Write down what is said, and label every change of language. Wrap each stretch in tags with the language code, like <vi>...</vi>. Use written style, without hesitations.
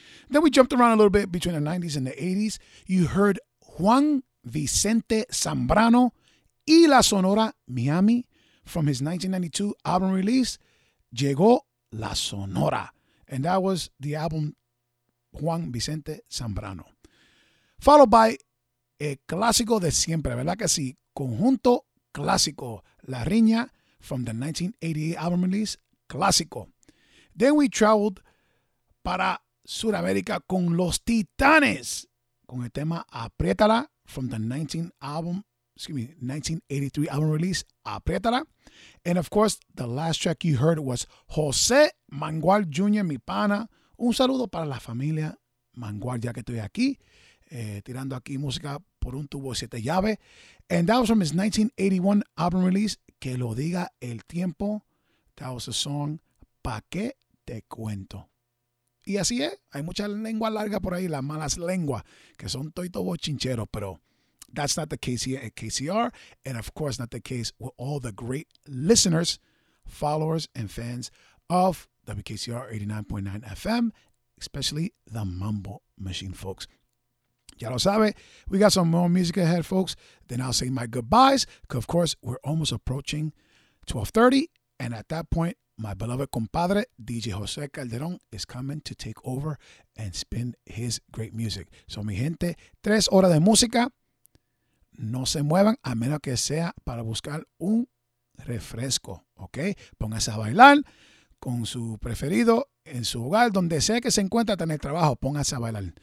<en>Then we jumped around a little bit between the 90s and the 80s. You heard Juan Vicente Zambrano y La Sonora Miami from his 1992 album release, Llegó La Sonora. And that was the album Juan Vicente Zambrano. Followed by El Clásico de Siempre,</en> <es>¿verdad que sí?</es> <en>Conjunto Clásico, La Riña, from the 1988 album release, Clásico. Then we traveled</en> <es>para Sudamérica con</es> <en>Los Titanes,</en> <es>con el tema</es> <en>Apriétala, from the 1983 album release, Apriétala. And of course, the last track you heard was José Mangual Jr.,</en> <es>mi pana. Un saludo para la familia Mangual, ya que estoy aquí, tirando aquí música por un tubo de siete llaves.</es> <en>And that was from his 1981 album release, Que Lo Diga El Tiempo. That was the song, Pa' Qué Te Cuento.</en> <es>Y así es, hay mucha lengua larga por ahí, las malas lenguas, que son toito bochincheros,</es> <en>pero that's not the case here at KCR, and of course not the case with all the great listeners, followers, and fans of WKCR 89.9 FM, especially the Mambo Machine, folks.</en> <es>Ya lo sabe,</es> <en>we got some more music ahead, folks. Then I'll say my goodbyes, because of course we're almost approaching 12:30, and at that point, my beloved compadre, DJ José Calderón, is coming to take over and spin his great music.</en> <es>So, mi gente, 3 horas de música. No se muevan a menos que sea para buscar un refresco, ¿ok? Póngase a bailar con su preferido en su hogar, donde sea que se encuentre en el trabajo, póngase a bailar.</es>